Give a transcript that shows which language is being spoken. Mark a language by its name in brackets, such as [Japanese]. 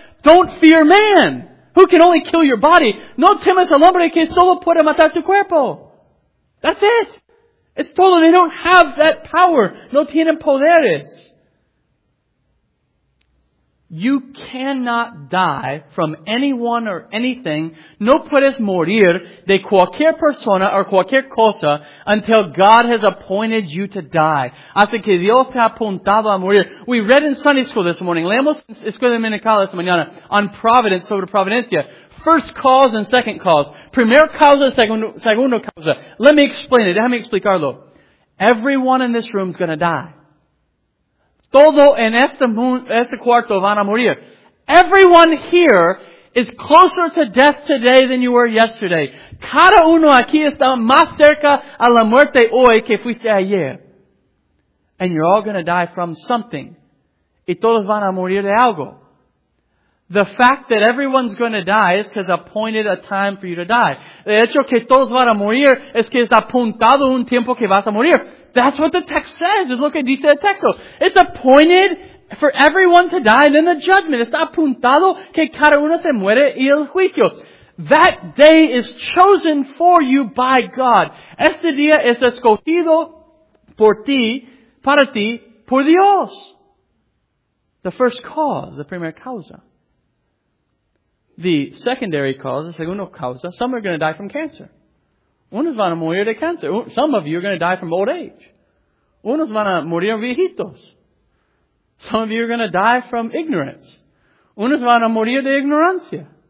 [English] Don't fear man, who can only kill your body. [Spanish] No temas al hombre que solo puede matar tu cuerpo. [English] That's it. It's total. They don't have that power. [Spanish] No tienen poderes. [English] You cannot die from anyone or anything. [Spanish] No puedes morir de cualquier persona or cualquier cosa [English] until God has appointed you to die. [Spanish] Hasta que Dios te ha apuntado a morir. [English] We read in Sunday school this morning. [Spanish] Leemos en Escuela Dominical esta mañana [English] on providence, [Spanish] sobre providencia. [English] First cause and second cause. [Spanish] Primera causa, segunda causa. [English] Let me explain it. [Spanish] Déjame explicarlo. [English] Everyone in this room is going to die. [Spanish] Todo en este cuarto van a morir. [English] Everyone here is closer to death today than you were yesterday. [Spanish] Cada uno aquí está más cerca a la muerte hoy que fuiste ayer. [English] And you're all going to die from something. [Spanish] Y todos van a morir de algo. [English] The fact that everyone's going to die is because appointed a time for you to die. [Spanish] De hecho que todos van a morir es que está apuntado un tiempo que vas a morir. [English] That's what the text says. [Spanish] Es lo que dice el texto. [English] It's appointed for everyone to die and then the judgment. [Spanish] Está apuntado que cada uno se muere y el juicio. [English] That day is chosen for you by God. [Spanish] Este día es escogido por ti, para ti, por Dios. [English] The first cause, [Spanish] the primera causa. [English] The secondary cause, [Spanish] the segunda causa, [English] some are going to die from cancer. [Spanish] Unos van a morir de cáncer. [English] Some of you are going to die from old age. [Spanish] Unos van a morir viejitos. [English] Some of you are going to die from ignorance. [Spanish] Unos van a morir de ignorancia.